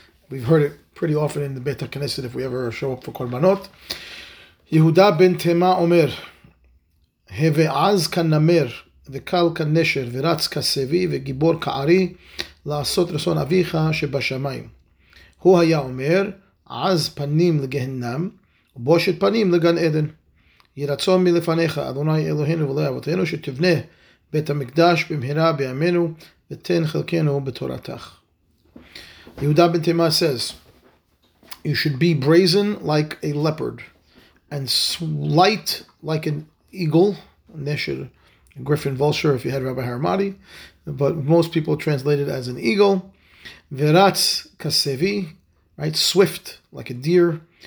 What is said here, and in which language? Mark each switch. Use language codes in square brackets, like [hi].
[en] We've heard it pretty often in the Beit HaKnesset if we ever show up for Korbanot. [he] Yehuda ben Tema Omer, Heve Az Kan Namer, Vekal Kan Nesher, Veratz Kasevi, Vegibor Ka'ari, לעשות רצון אביך שבשמיים. הוא היה אומר, עז פנים לגהנם, ובושת פנים לגן עדן. יהי רצון מלפניך, אדוני אלוהינו ואלוהי אבותינו, שתבנה בית המקדש במהרה בימינו, ותן חלקנו בתורתך. [en] יהודה בן תימא says, you should be brazen like a leopard, and light like an eagle, nesher, griffin vulture, if you had Rabbi Harmadi, but most people translate it as an eagle. [he] Veratz kasevi, [en] right? Swift, like a deer.